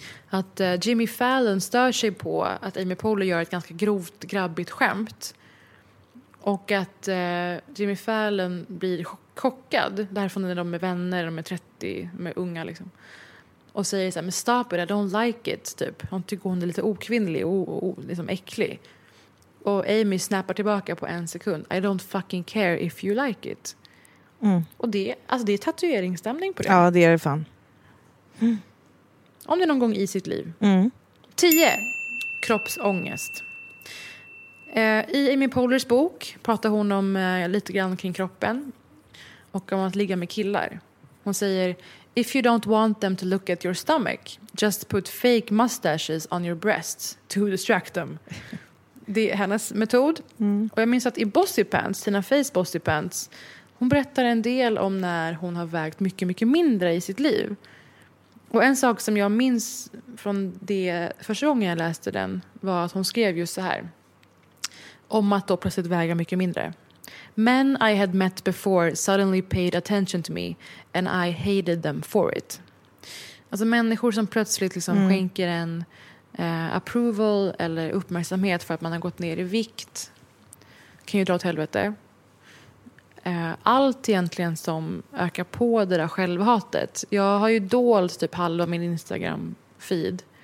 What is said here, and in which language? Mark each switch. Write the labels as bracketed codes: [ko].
[sv] Att Jimmy Fallon stör sig på att Amy Poehler gör ett ganska grovt grabbigt skämt. Och att Jimmy Fallon blir chockad. Därifrån är de med vänner, de är 30, med unga liksom. Och säger så här, men [en] stop it, I don't like it, [sv] typ. Hon tycker hon är lite okvinnlig och liksom äcklig. Och Amy snappar tillbaka på en sekund. [en] I don't fucking care if you like it. Mm. [sv] Och det, alltså det är tatueringsstämning på det. Ja, det är det fan. Mm. Om det någon gång i sitt liv. Mm. 10. Kroppsångest. I Amy Poehlers bok pratar hon om lite grann kring kroppen. Och om att ligga med killar. Hon säger, [en] if you don't want them to look at your stomach, just put fake mustaches on your breasts to distract them. [sv] Det är hennes metod. Mm. Och jag minns att i Bossy Pants, Tina Feys Bossy Pants, hon berättar en del om när hon har vägt mycket, mycket mindre i sitt liv. Och en sak som jag minns från det första gången jag läste den var att hon skrev just så här. Om att då plötsligt väga mycket mindre. [en] Men I had met before suddenly paid attention to me and I hated them for it. [sv] Alltså människor som plötsligt liksom skänker en approval eller uppmärksamhet för att man har gått ner i vikt kan ju dra åt helvete. Allt egentligen som ökar på det där självhatet. Jag har ju dolt typ halva min Instagram feed.